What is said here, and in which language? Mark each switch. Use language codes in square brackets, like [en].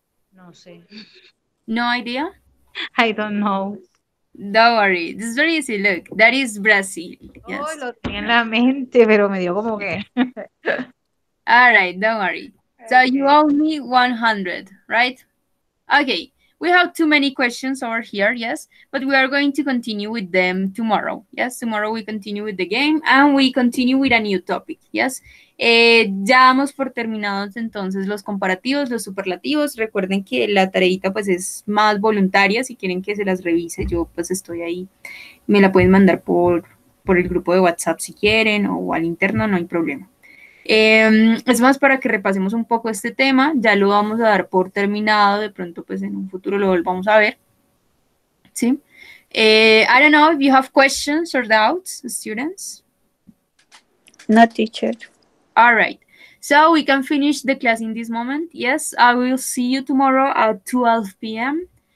[es] No sé. [en] No idea? I don't know. Don't worry, this is very easy. Look, that is Brazil. Oh, yes. [es] Lo tenía en la mente, pero me dio como que. [en] All right, don't worry. So you owe me 100, right? Okay, We have too many questions over here, yes, but we are going to continue with them tomorrow. Yes, tomorrow we continue with the game and we continue with a new topic, yes. [es] Ya damos por terminados entonces los comparativos, los superlativos. Recuerden que la tareita pues es más voluntaria, si quieren que se las revise, yo pues estoy ahí. Me la pueden mandar por el grupo de WhatsApp si quieren o al interno, no hay problema. Es más para que repasemos un poco este tema, ya lo vamos a dar por terminado, de pronto pues en un futuro lo volvamos a ver, ¿sí? [en] I don't know if you have questions or doubts, students. No, teacher. All right, so we can finish the class in this moment. Yes, I will see you tomorrow at 12 p.m.